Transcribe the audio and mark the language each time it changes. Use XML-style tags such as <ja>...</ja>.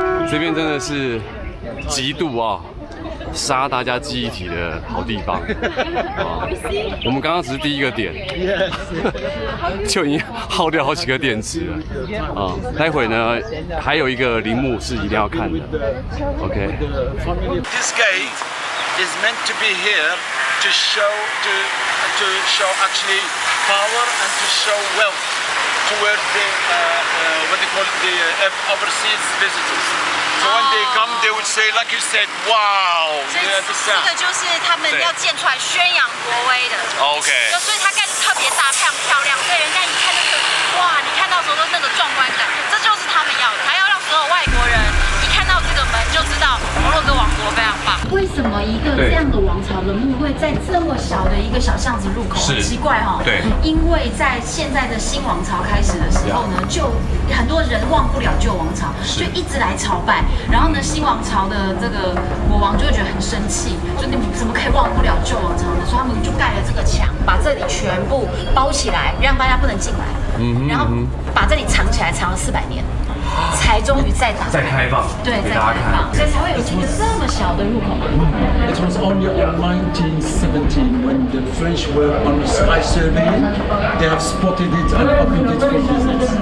<zh>这边真的是极度啊杀大家记忆体的好地方啊！我们刚刚只是第一个点，就已经耗掉好几个电池了啊！待会呢，还有一个陵墓是一定要看的。</zh> <en>OK。 This gate is meant to be here to show to show actually power and to show wealth towards the what they call the overseas visitors. So when they come, they would say, like you said, wow.</en> <zh>这个就是他们要建出来宣扬国威的。</zh> <en>OK。</en> <zh>所以它盖得特别大，非常漂亮，所以人家一看就是，哇，你看到的时候都那个壮观感，这就是他们要的，还要让所有外国人一看到这个门就知道摩洛哥王国非常棒。为什么一个这样的王朝的墓会在这么小的一个小巷子入口，很奇怪哈、哦。对，因为在现在的新王朝开始的时候呢，就很多人忘不了旧王朝，就一直来朝拜。然后呢，新王朝的这个国王就会觉得很生气，就你们怎么可以忘不了旧王朝呢？所以他们就盖了这个墙，把这里全部包起来，让大家不能进来。然后把这里藏起来，藏了400年。才终于再打开，再开放，对，再开放，所以才会有这个这么小的入口嘛。</zh> <en>It was only in 1917 when the French were on a spy survey, they have spotted it and opened it for business.</en>